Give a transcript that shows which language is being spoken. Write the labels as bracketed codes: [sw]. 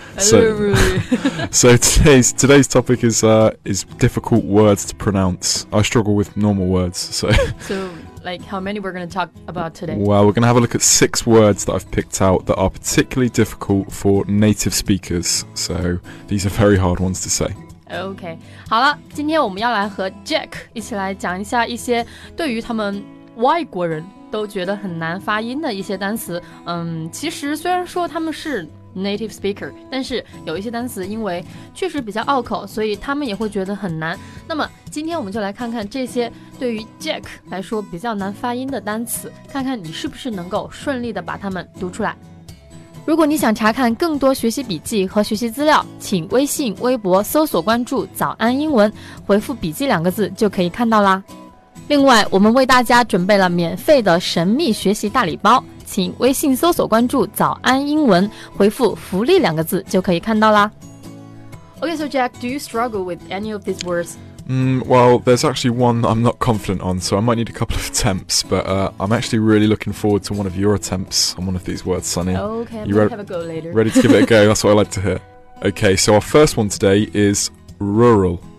[en] So today's topic is difficult words to pronounce. I struggle with normal words, so Like how many we're going to talk about today? Well, we're going to have a look at 6 words that I've picked out that are particularly difficult for native speakers. So these are very hard ones to say. Okay. [zh] 好了，今天我们要来和 Jack 一起来讲一下一些对于他们外国人都觉得很难发音的一些单词。其实虽然说他们是native speaker, 但是有一些单词因为确实比较拗口，所以他们也会觉得很难。那么今天我们就来看看这些对于 Jack 来说比较难发音的单词，看看你是不是能够顺利的把它们读出来。如果你想查看更多学习笔记和学习资料，请微信微博搜索关注早安英文，回复笔记两个字就可以看到啦。另外，我们为大家准备了免费的神秘学习大礼包，请微信搜索关注早安英文，回复福利两个字就可以看到啦。 [en] Okay, so Jack, do you struggle with any of these words? Well, there's actually one I'm not confident on, so I might need a couple of attempts, but I'm actually really looking forward to one of your attempts on one of these words, Sunny. Okay, I'm going to have a go later. Ready to give it a go? That's what I like to hear. Okay, so our first one today is rural.